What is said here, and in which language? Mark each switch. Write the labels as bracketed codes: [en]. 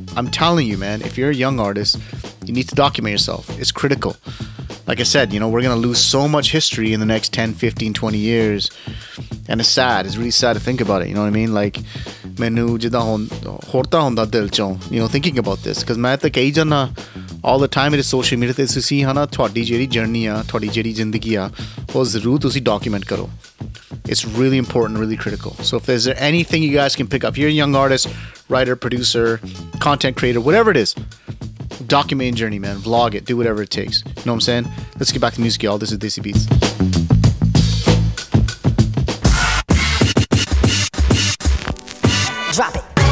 [en] I'm telling you, man, if you're a young artist, you need to document yourself. It's critical. Like I said, you know, we're going to lose so much history in the next 10, 15, 20 years. And it's sad. It's really sad to think about it. You know what I mean? Like, [pa] menu jidda horta honda dil chon, [en] you know, thinking about this. [pa] Because ਮੈਂ ਤਾ ਕਹੀ ਜੰਨਾ [en] all the time [pa] ਮੇਰੇ social media ਤੇ ਤੁਸੀ ਹਾਨਾ ਥੋਡੀ ਜਿਹਰੀ journey ਆ, ਥੋਡੀ ਜਿਹਰੀ ਜ਼ਿੰਦਗੀ ਆ, ਓਹ ਜ਼ਰੂਰ ਤੁਸੀ document ਕਰੋ. [en] It's really important, really critical. So if there's anything you guys can pick up, you're a young artist, writer, producer, content creator, whatever it is, document your journey, man. Vlog it. Do whatever it takes. You know what I'm saying? Let's get back to music, y'all. This is Desi Beats. Drop it.